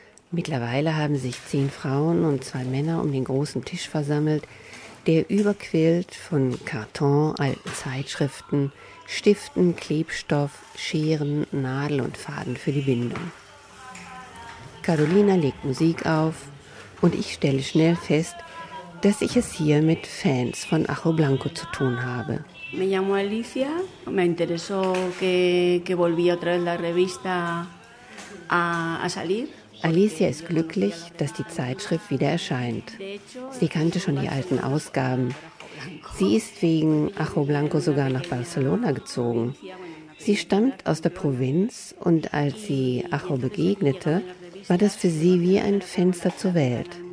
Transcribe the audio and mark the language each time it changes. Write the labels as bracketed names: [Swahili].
[German] Mittlerweile haben sich 10 Frauen und 2 Männer um den großen Tisch versammelt, der überquillt von Karton, alten Zeitschriften, Stiften, Klebstoff, Scheren, Nadel und Faden für die Bindung. Carolina legt Musik auf und ich stelle schnell fest, dass ich es hier mit Fans von Ajo Blanco zu tun habe. [Spanish] Me llamo Alicia. Me interesó que volvía otra vez la revista a salir. [German] Alicia ist glücklich, dass die Zeitschrift wieder erscheint. Sie kannte schon die alten Ausgaben. Sie ist wegen Ajo Blanco sogar nach Barcelona gezogen. Sie stammt aus der Provinz und als sie Ajo begegnete, war das für sie wie ein Fenster zur Welt.